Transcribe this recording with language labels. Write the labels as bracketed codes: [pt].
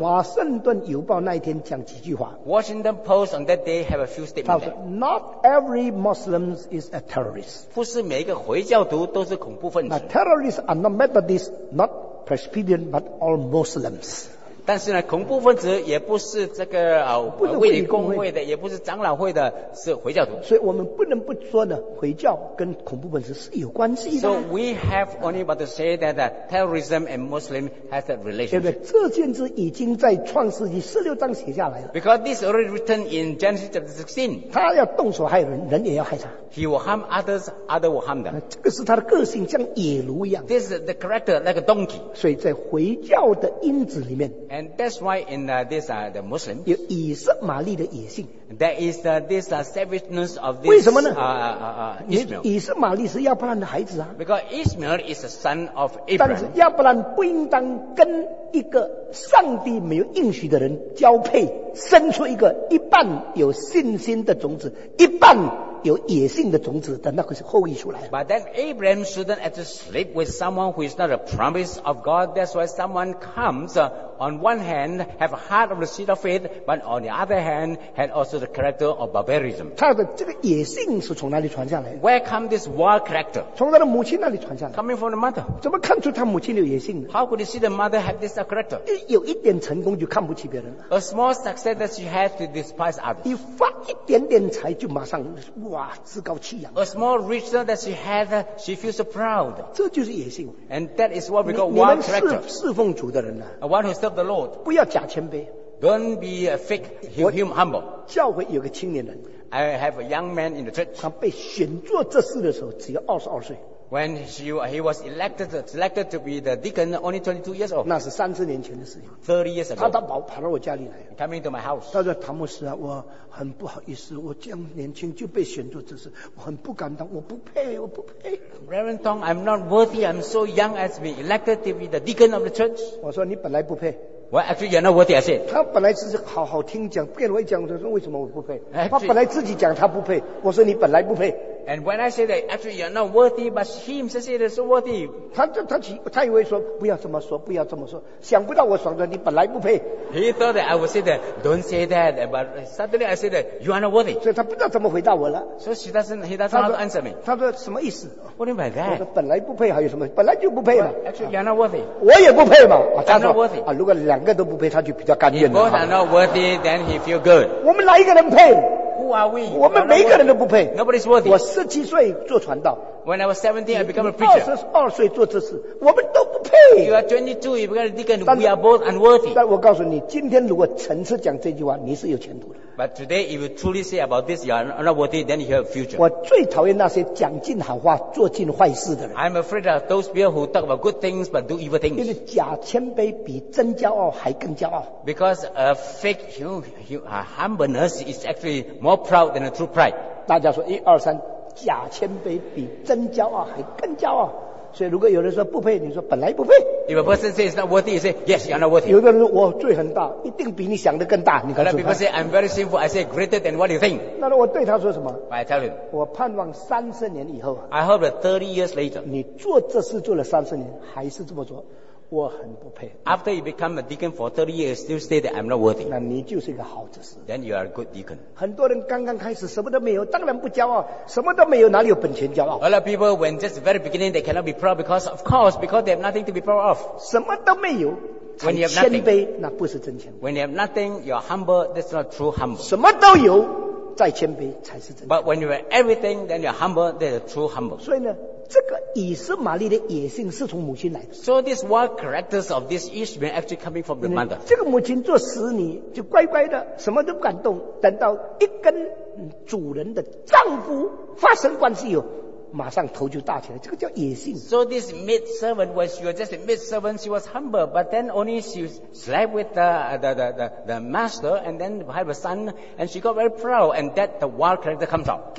[zh] 华盛顿邮报那一天讲几句话。 [en] Washington Post on that day have a few statements. Not every Muslims is a terrorist. [zh] 不是每一个回教徒都是恐怖分子。 [en] Now, terrorists are not Methodist, not Presbyterian, but all Muslims. [zh] 但是呢，恐怖分子也不是这个不是卫理公会的，也不是长老会的，是回教徒。所以我们不能不说呢，回教跟恐怖分子是有关系的。 [en] So we have only but to say that terrorism and Muslim has a relationship. [zh] 对不对？这件事已经在创世纪十六章写下来了。 [en] Because this already written in Genesis chapter 16. [zh] 他要动手害人，人也要害他。 [en] He will harm others, others will harm them. [zh] 这个是他的个性，像野驴一样。 [en] This is the character like a donkey. [zh] 所以在回教的因子里面。 [en] And that's why in this the Muslims, [zh] 有以色玛利的野性。 [en] There is this savageness of this. [zh] 为什么呢？ [en] Ishmael. [zh] 以色玛利是亚伯兰的孩子啊。 [en] Because Ishmael is the son of Abraham. [zh] 但是亚伯兰不应当跟一个上帝没有应许的人交配，生出一个一半有信心的种子，一半有野性的种子的那个后裔出来。 [en] But then Abraham shouldn't have to sleep with someone who is not a promise of God. That's why someone comes on one hand have a heart of the seed of faith, but on the other hand had also the character of barbarism. [zh] 他的这个野性是从哪里传下来 [en] ？Where come this wild character? [zh] 从他的母亲那里传下来。 [en] Coming from the mother. [zh] 怎么看出他母亲有野性 [en] ？How could you see the mother have this character? [zh] 有一点成功就看不起别人。 [en] A small success that she had to despise others. [zh] 你发一点点财就马上哇自高气扬。 [en] A small riches that she had, she feels so proud. [zh] 这就是野性。 [en] And that is what we call wild character. [zh] 你们侍奉主的人呢、 [en] 啊、？One who serve the Lord. [zh] 不要假谦卑。 [en] Don't be a fake humble. [zh] 教会有个青年人。 [en] I have a young man in the church. [zh] 他被选做这事的时候只有22岁。 [en] When he was selected to be the deacon, only 22 years old. [zh] 那是三四年前的事情。 [en] 30 years ago. [zh] 他跑到我家里来。 [en] Coming to my house. [zh] 他说：“唐牧师啊，我很不好意思，我这样年轻就被选做执事，我很不敢当，我不配，我不配。” [en] Reverend Tong, I'm not worthy. I'm so young as being elected to be the deacon of the church. [zh] 我说你本来不配。 [en] Well, actually, you're not worthy, I said. [zh] 他本来只是好好听讲，变了一讲，他说为什么我不配？Actually, 他本来自己讲他不配，我说你本来不配。 [en] And when I say that, actually, you're not worthy, but him says it is so worthy. [zh] 他以为说不要这么说，不要这么说，想不到我说的你本来不配。 [en] He thought that I would say that, don't say that, but suddenly I said that you are not worthy. [zh] 所以他不知道怎么回答我了。 [en] So he doesn't know how to answer me. [zh] 他说什么意思？ [en] What do you mean by that? [zh] 我说本来不配还有什么？本来就不配嘛。 [en] Well, actually, you're not worthy. [zh] 我也不配嘛。 [en] I'm not worthy. [zh] 如果两个都不配，他就比较甘愿了。 [en] If both are not worthy, then he feel good. [zh] 我们哪一个人配？ [en] Who are we? [zh] 我们每个人都不配。 [en] Nobody's worthy. [zh] 我17岁做传道。 [en] When I was 17, I became a preacher. [zh] 22岁做这事，我们都不配。 [en] You are 22, you became a deacon. We are both unworthy. [zh] 但我告诉你，今天如果诚实讲这句话，你是有前途的。 [en] But today, if you truly say about this, you are not worthy, then you have a future. [zh] 我最讨厌那些讲尽好话、做尽坏事的人。 [en] I'm afraid of those people who talk about good things but do evil things. [zh] 因为假谦卑比真骄傲还更骄傲。 [en] Because a fake humbleness is actually more proud than a true pride. [zh] 大家说一二三，假谦卑比真骄傲还更骄傲。所以如果有人说不配，你说本来不配。 [en] If a person says it's not worthy, you say yes, you're not worthy. [zh] 有的人说我罪很大，一定比你想的更大。你告诉他。 [en] People say I'm very sinful. I say greater than what you think. [zh] 那我对他说什么 [en] ？I tell him. [zh] 我盼望三十年以后。 [en] I hope that 30 years later. [zh] 你做这事做了三十年，还是这么做，我很不配。 [en] After you become a deacon for 30 years, still say that I'm not worthy. [zh] 那你就是一个好执事。 [en] Then you are a good deacon. [zh] 很多人刚刚开始什么都没有，当然不骄傲，什么都没有，哪里有本钱骄傲 [en] ？A lot of people when just very beginning they cannot be proud because they have nothing to be proud of. [zh] 什么都没有。 [en] When you have nothing, [zh] 谦卑那不是真谦卑。 [en] When you have nothing, you're humble. That's not true humble. [zh] 什么都有，再谦卑才是真。 [en] But when you have everything, then you're humble. That's a true humble. [zh] 所以呢？这个以实玛利的野性是从母亲来的。 [en] So this wild characters of this Ishmael actually coming from the mother. [zh] 这个母亲做使女就乖乖的，什么都不敢动，等到一跟主人的丈夫发生关系以后，马上头就大起来，这个叫野性。 [en] So this maid servant, when she was just a maid servant, she was humble, but then only she slept with the master, and then had a son, and she got very proud, and that the wild character comes out.